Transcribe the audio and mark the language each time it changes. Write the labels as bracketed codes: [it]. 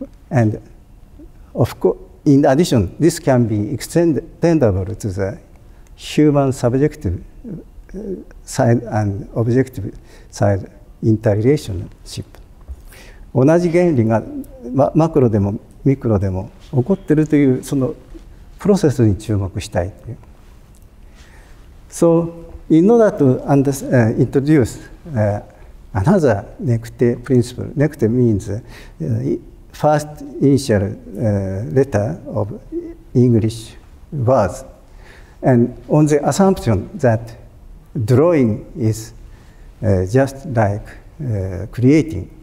[en] And of course, in addition, this can be extendable to the human subjective side and objective side interrelationship. [ja] 同じ原理が、マクロでもミクロでも起こっているというそのプロセスに注目したいという。 [en] So, in order to introduce another NECTE principle, NECTE means first initial letter of English words, and on the assumption that drawing is just like creating.